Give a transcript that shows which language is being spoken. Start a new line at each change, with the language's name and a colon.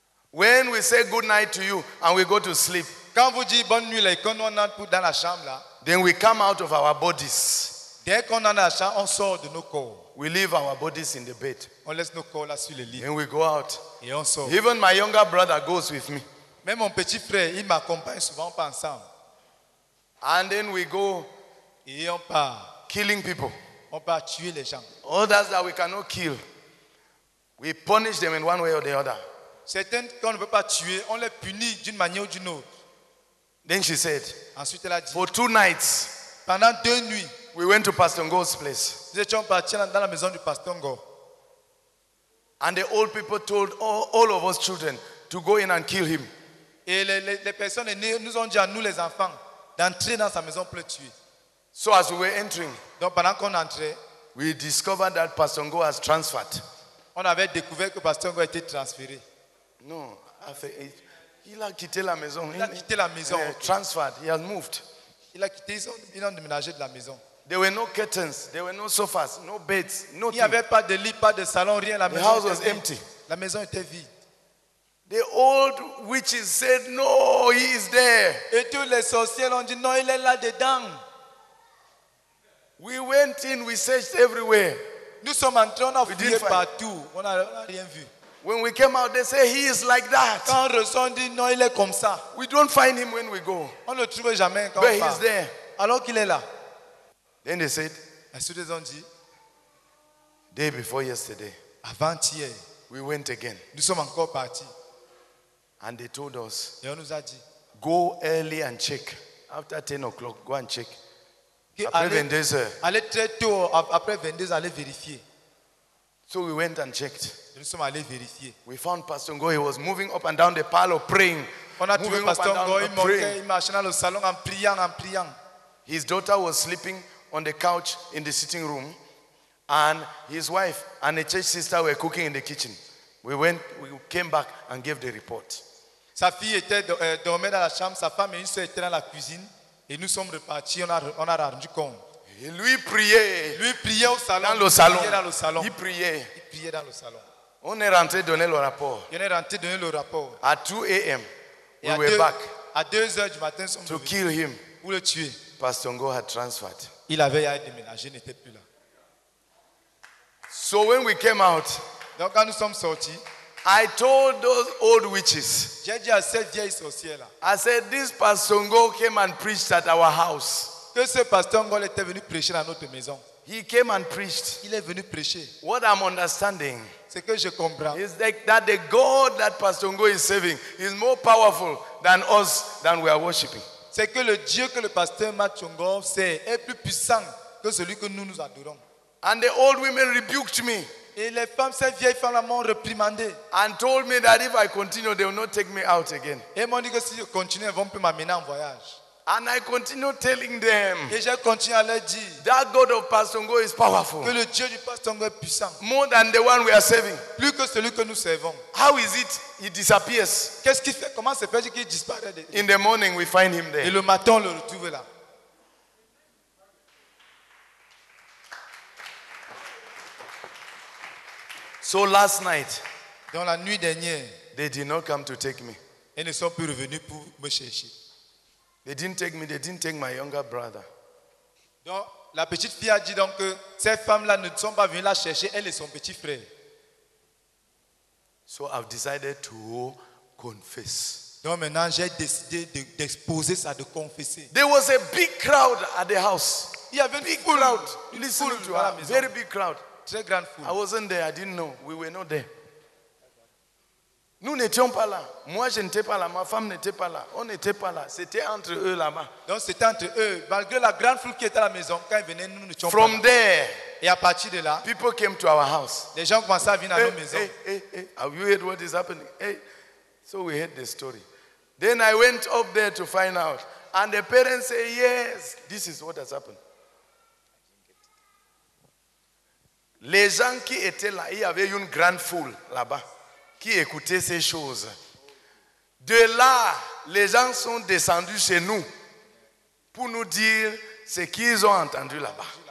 English: When we say good night to you and we go to sleep.
French: Quand vous dites bonne nuit là et qu'on entre pour dans la chambre là.
English: Then we come out of our bodies.
French: Dès qu'on entre dans la chambre, on sort de nos corps.
English: We leave our bodies in the bed.
French: On laisse nos corps là sur le lit.
English: And we go out.
French: Et on sort.
English: Even my younger brother goes with me.
French: Même mon petit frère, il m'accompagne souvent pas ensemble.
English: And then we go.
French: Et on part.
English: Killing people.
French: On part tuer les gens.
English: Others that we cannot kill. We punish them in one way or the other.
French: Certains qu'on ne peut pas tuer, on les punit d'une manière ou d'une autre.
English: Then she said.
French: Ensuite elle a dit.
English: For two nights.
French: Pendant deux nuits.
English: We went to Pastor Ngo's place.
French: Nous étions partis dans la maison du Pastor Ngo.
English: And the old people told all of us children to go in and kill him.
French: Et les personnes nous ont dit à nous les enfants d'entrer dans sa maison pour le tuer.
English: So as we were entering,
French: donc pendant qu'on entrait,
English: we discovered that Pastor Ngo has transferred.
French: On avait découvert que Pasteur Ngo a été transféré. Non, il a quitté la maison. Il a quitté la maison.
English: Transferred, he has moved.
French: Il a quitté, ils ont déménagé de la maison.
English: There were no curtains, there were no sofas, no beds, nothing.
French: Il n'y avait pas de lit, pas de salon, rien.
English: The house was empty.
French: La maison était vide.
English: The old witches said, no, he is there.
French: Et tous les sorciers ont dit, non, il est là-dedans.
English: We went in, we searched everywhere.
French: Nous sommes entrés, on a fouillé partout. On a rien vu.
English: When we came out, they say he is like that.
French: Quand on ressort, dit, non, il est comme ça.
English: We don't find him when we go.
French: On ne le trouve jamais quand
English: but
French: on part.
English: But he is there.
French: Alors qu'il est là.
English: Then they said,
French: ensuite, ils ont dit,
English: day before yesterday,
French: avant-hier,
English: we went again.
French: Nous sommes encore partis.
English: And they told us,
French: et on nous a dit,
English: go early and check. After 10 o'clock, go and check.
French: Allez très tôt, après 22 heures, allez vérifier.
English: So we went and checked.
French: Nous sommes allés vérifier.
English: We found Pastor Ngo, he was moving up and down the parlor praying.
French: On a trouvé Pastor Ngo, il montait, il marchait dans le salon en priant, en priant.
English: His daughter was sleeping on the couch in the sitting room, and his wife and a church sister were cooking in the kitchen. We came back and gave the report.
French: Sa fille était dormait dans la chambre, sa femme et une sœur étaient dans la cuisine, et nous sommes repartis, on a rendu compte. Et lui priait. Lui priait au salon. Dans le salon. Il priait dans le salon. Il priait. Il priait dans le salon. On est rentré donner le rapport. On est rentré donner le rapport.
English: At 2 a.m. We were back.
French: À 2 heures du matin, sommes
English: to kill him.
French: Pour le tuer.
English: Pastor Ngo had transferred.
French: Il avait déjà déménagé, n'était plus là.
English: So when we came out,
French: donc quand nous sommes sortis,
English: I told those old witches,
French: j'ai dit à cette vieille sorcière là,
English: I said, this Pastor Ngo came and preached at our house.
French: Que ce Pastor Ngo était venu prêcher dans notre maison.
English: He came and preached.
French: Il est venu prêcher.
English: What I'm understanding,
French: c'est que je comprends,
English: is like that the God that Pastor Ngo is serving is more powerful than us, than we are worshiping.
French: C'est que le Dieu que le pasteur Mathew Ngo sait est plus puissant que celui que nous adorons.
English: And the old women rebuked me.
French: Et les femmes, ces vieilles femmes m'ont reprimandé.
English: And told me that if I continue, they will not take me out again.
French: Et m'ont dit que si je continue, elles vont plus m'amener en voyage.
English: And I continue telling them.
French: Et je continue à leur dire.
English: That God of Pastor Ngo is powerful.
French: Que le Dieu du pasteur Ngo est puissant.
English: More than the one we are serving.
French: Plus que celui que nous servons.
English: How is it? He disappears.
French: Qu'est-ce qu'il fait? Comment se fait-il qu'il disparaît?
English: In the morning, we find him there.
French: Et le matin, on le retrouve là.
English: So last night,
French: dans la nuit dernière,
English: they did not come to take me.
French: Ils ne sont plus revenus pour me chercher.
English: They didn't take me. They didn't take my younger brother.
French: Donc la petite fille a dit donc que ces femmes-là ne sont pas venues la chercher, elle et son petit frère.
English: So I've decided to confess.
French: Donc maintenant j'ai décidé d'exposer ça, de confesser.
English: There was a big crowd at the house.
French: Il y avait une
English: big crowd. Listen to her. Very big crowd.
French: Très grande foule.
English: I wasn't there. I didn't know. We were not there.
French: Nous n'étions pas là. Moi, je n'étais pas là. Ma femme n'était pas là. On n'était pas là. C'était entre eux là-bas. Donc, c'était entre eux. Malgré la grande foule qui était à la maison, quand ils venaient, nous n'étions
English: from
French: pas
English: there,
French: là. Et à partir de là,
English: people came to our house.
French: Les gens commençaient à venir à nos maisons.
English: Have you heard what is happening? So we heard the story. Then I went up there to find out. And the parents say, yes, this is what has happened.
French: Les gens qui étaient là, il y avait une grande foule là-bas qui écoutait ces choses. De là, les gens sont descendus chez nous pour nous dire ce qu'ils ont entendu là-bas.